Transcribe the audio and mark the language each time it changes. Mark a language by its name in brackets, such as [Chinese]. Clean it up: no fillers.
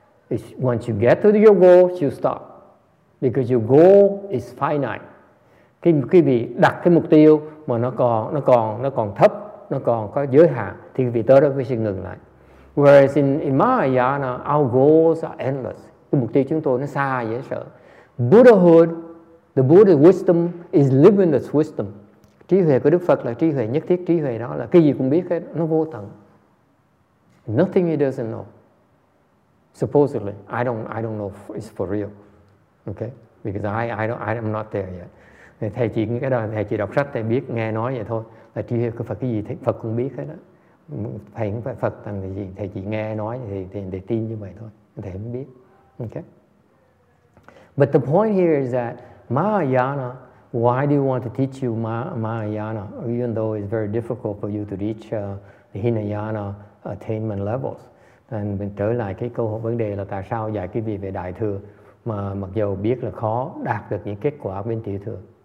[English] It's once you get to your goals, you stop, because your goal is finite. [Vietnamese] Khi bị đặt cái mục tiêu mà nó còn thấp, nó còn có giới hạn, thì vì tới đó quý vị sẽ ngừng lại. [English] Whereas in Mahayana, our goals are endless. [Vietnamese] Cái mục tiêu chúng tôi nó xa dễ sợ. [English] Buddhahood, the Buddha's wisdom is limitless wisdom. [Vietnamese] Trí huệ của Đức Phật là trí huệ nhất thiết, trí huệ đó là cái gì cũng biết hết, nó vô tận. [English] Nothing he doesn't know. supposedly. I don't know if it's for real, okay? Because I'm not there yet. [Vietnamese] Thầy chỉ cái đó, thầy chỉ đọc sách, thầy biết nghe nói vậy thôi. Là chỉ có Phật cái gì Phật cũng biết hết đó. Thầy không phải Phật thằng gì, thầy chỉ nghe nói thì tin như vậy thôi. Thầy không biết, okay? [English] But the point here is that Mahayana, why do you want to teach you Mahayana, even though it's very difficult for you to reach the Hinayana attainment levels? [Vietnamese] And mình trở lại cái câu hỏi vấn đề là tại sao dạy cái gì về Đại Thừa mà mặc dù biết là khó đạt được những kết quả bên Tiểu Thừa.